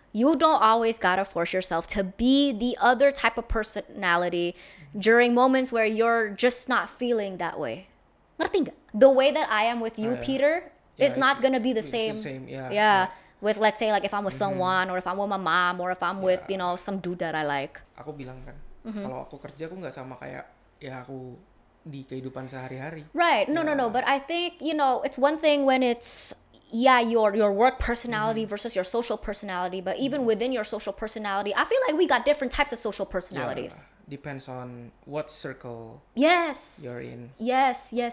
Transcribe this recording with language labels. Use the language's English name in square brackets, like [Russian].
[English] You don't always gotta force yourself to be the other type of personality during moments where you're just not feeling that way. Nothing. The way that I am with you, Peter, yeah, is not gonna be the same. It's the same, yeah. Yeah. With, let's say, like, if I'm with someone, or if I'm with my mom, or if I'm with, you know, some dude that I like. [Indonesian] Aku bilang kan, kalau aku kerja, aku nggak sama kayak, ya aku di kehidupan sehari-hari. [English] Right, no, but I think, you know, it's one thing when it's, yeah, your work personality versus your social personality, but even within your social personality, I feel like we got different types of social personalities. Yeah. Depends on what circle you're in. Yes.